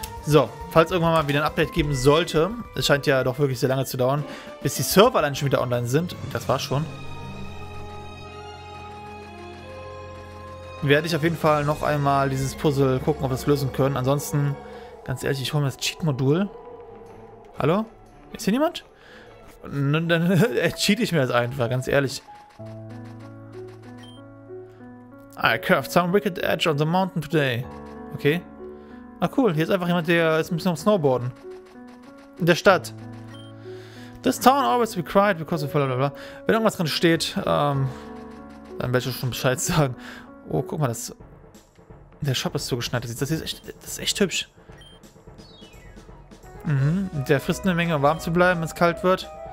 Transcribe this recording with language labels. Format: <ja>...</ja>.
<de>So, falls irgendwann mal wieder ein Update geben sollte, es scheint ja doch wirklich sehr lange zu dauern, bis die Server dann schon wieder online sind, das war's schon, werde ich auf jeden Fall noch einmal dieses Puzzle gucken, ob wir es lösen können. Ansonsten, ganz ehrlich, ich hole mir das Cheat-Modul. Hallo? Ist hier niemand? Dann cheat ich mir das einfach, ganz ehrlich.</de> <en>I curved some wicked edge on the mountain today. Okay.</en> <de>Ah, cool, hier ist einfach jemand, der ist ein bisschen am Snowboarden. In der Stadt.</de> <en>This town always be quiet because of blah blah blah.</en> <de>Wenn irgendwas drin steht, dann werde ich schon Bescheid sagen. Oh, guck mal, das. Der Shop ist zugeschneit. Das ist echt hübsch. Mhm, der frisst eine Menge, um warm zu bleiben, wenn es kalt wird.</de>